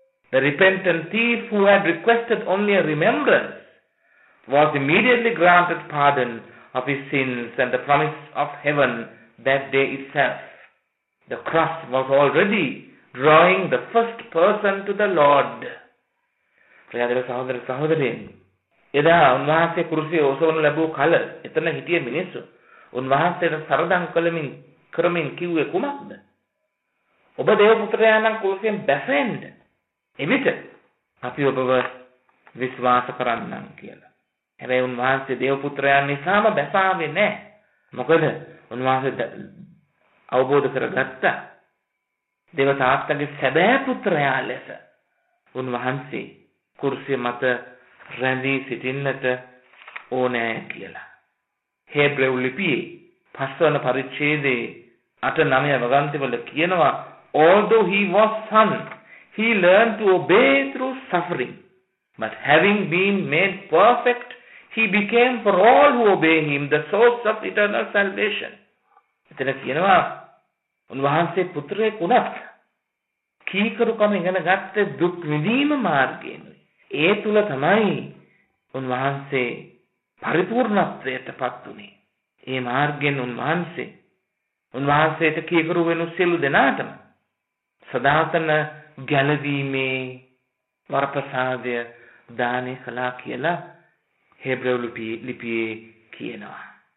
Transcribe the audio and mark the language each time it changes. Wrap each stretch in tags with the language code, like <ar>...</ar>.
<en>The repentant thief, who had requested only a remembrance, was immediately granted pardon of his sins and the promise of heaven that day itself. The cross was already drawing the first person to the Lord.</en> <si>ප්‍රජාතර සහෝදර සහෝදරයන්, එදා උන්වහන්සේ කුරුසිය ඔසවනු ලැබූ කල එතන හිටිය මිනිස්සු උන්වහන්සේට සරදම් කළමින් කරමින් කිව්වේ කුමක්ද? ඔබ දේවපුත්‍රයාණන් කුරුසියෙන් බැසෙන්න එවිට අපි ඔබව විශ්වාස කරන්නම් කියලා. හැබැයි උන්වහන්සේ දේවපුත්‍රයන් නිසාම බැසාවේ නැහැ. මොකද උන්වහන්සේ අවබෝධ කරගත්ත දේවතාත්තගේ සැබෑ පුත්‍රයා ලෙස උන්වහන්සේ කුරුසිය මත රැඳී සිටින්නට ඕනෑ කියලා. හෙබ්‍රෙව් ලිපියේ 5 වන පරිච්ඡේදයේ 8-9 වගන්තිවල කියනවා,</si> <en>although he was son, he learned to obey through suffering, but having been made perfect, he became for all who obey him the source of eternal salvation.</en> <si>එතන කියනවා උන්වහන්සේ පුත්‍රයෙක් වුණත් කීකරුකම ඉගෙන ගත්ත දුක් විඳීම මාර්ගයෙන් ඒ තුල තමයි උන්වහන්සේ පරිපූර්ණත්වයට පත් වුණේ. ඒ මාර්ගයෙන් උන්වහන්සේට කීකරු වෙනු සියලු දෙනාටම සදාතන ගැලවීමේ වරප්‍රසාදය දානය කළා කියලා හෙබ්‍රෙව් ලිපියේ කියනවා.</si>